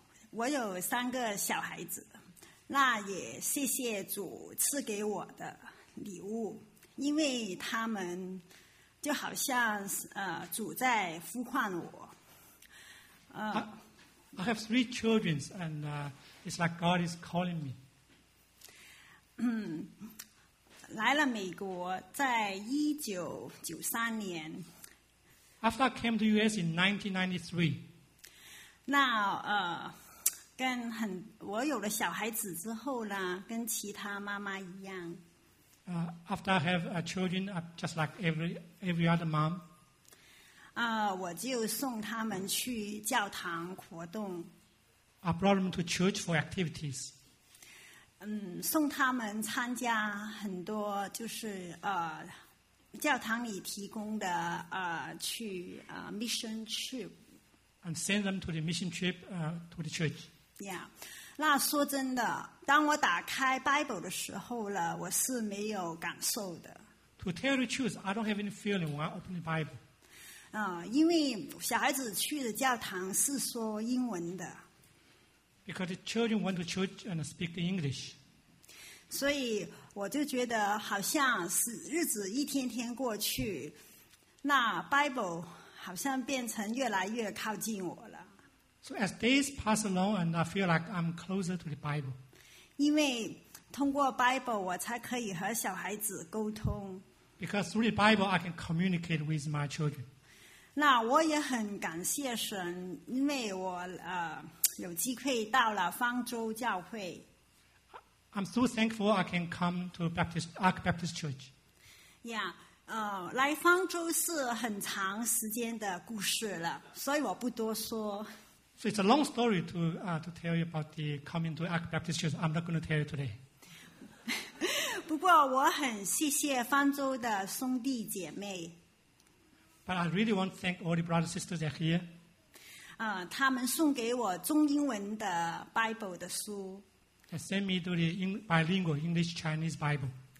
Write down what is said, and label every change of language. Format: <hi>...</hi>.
<zh>我有三个小孩子，那也谢谢主赐给我的。礼物，因为他们就好像主在呼唤我。</zh> <en>I have three children, and it's like God is calling me.</en> <zh>来了美国，在1993年。</zh> <en>After I came to U.S. in 1993.</en> <zh>我有了小孩子之后呢，跟其他妈妈一样。</zh> <en>After I have children, just like every other mom,</en> <zh>我就送他们去教堂活动。</zh> <en>I brought them to church for activities.</en> <zh>送他们参加很多就是教堂里提供的mission trip.</zh> <en>And send them to the mission trip to the church.</en> <zh>Yeah. 那说真的，当我打开 Bible 的时候了，我是没有感受的。</zh> <en>To tell the truth, I don't have any feeling when I open the Bible.</en> <zh>因为小孩子去的教堂是说英文的。</zh> <en>Because the children went to church and speak English.</en> <zh>所以我就觉得好像是日子一天天过去，那 Bible 好像变成越来越靠近我了。</zh> <en>So as days pass along and I feel like I'm closer to the Bible.</en> <zh>因为通过 Bible 我才可以和小孩子沟通。</zh> <en>Because through the Bible I can communicate with my children.</en> <zh>那我也很感谢神，因为我有机会到了方舟教会。</zh> <en>I'm so thankful I can come to Baptist, Ark Baptist Church.</en> <zh>Yeah, 来方舟是很长时间的故事了，所以我不多说。</zh> <en>So it's a long story to tell you about the coming to Ark Baptist Church. I'm not going to tell you today.</en> <zh>不过我很谢谢方舟的兄弟姐妹。</zh> <en>But I really want to thank all the brothers and sisters that are here.</en> <zh>他们送给我中英文的 Bible 的书。</zh> <en>They sent me to the bilingual English Chinese Bible.</en>